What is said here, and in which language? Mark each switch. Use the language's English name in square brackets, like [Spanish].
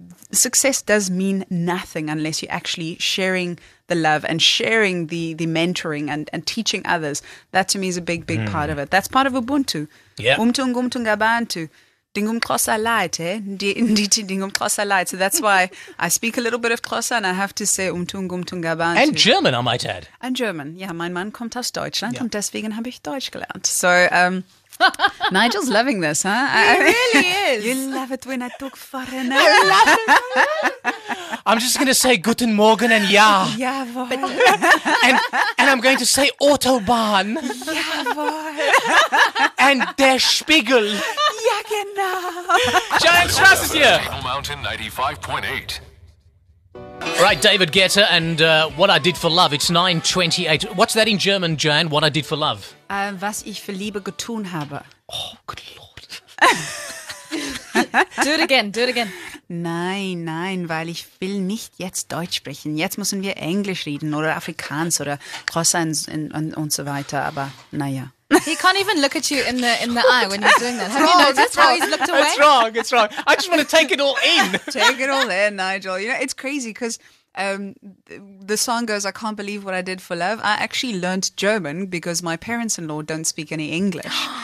[English] Success does mean nothing unless you're actually sharing the love and sharing the mentoring and teaching others. That to me is a big, big part of it. That's part of Ubuntu. Yeah. [Xhosa] Umtu ngabantu. Dingum Xhosa light, Nditi dingum Xhosa light. [English] So that's why I speak a little bit of Xhosa and I have to say [Xhosa] umtu ngabantu. [English] And German, I might add. And German. [German] Yeah, mein Mann kommt aus Deutschland und deswegen habe ich Deutsch gelernt. [English] So Nigel's loving this, huh? He really is. You love it when I talk foreigners. I love it. I'm just going to say [German] Guten Morgen [English] and [German] ja. Ja, voll. [English] And I'm going to say Autobahn. [German] Ja, voll. [English] And Der Spiegel. [German] Ja, genau. [English] Giant Strauss is here. Channel Mountain 95.8. Right, David Guetta and What I Did for Love. It's 9:28. What's that in German, Joanne? What I Did for Love? [German] Was ich für Liebe getun habe. [English] Oh, good Lord. Do it again. [German] Nein, weil ich will nicht jetzt Deutsch sprechen. Jetzt müssen wir Englisch reden oder Afrikaans oder Kosa und so weiter, aber naja. [English] He can't even look at you in the eye when you're doing that. Have you noticed how he's looked away? It's wrong. I just want to take it all in. Take it all in, Nigel. You know, it's crazy because the song goes, I can't believe what I did for love. I actually learned German because my parents-in-law don't speak any English.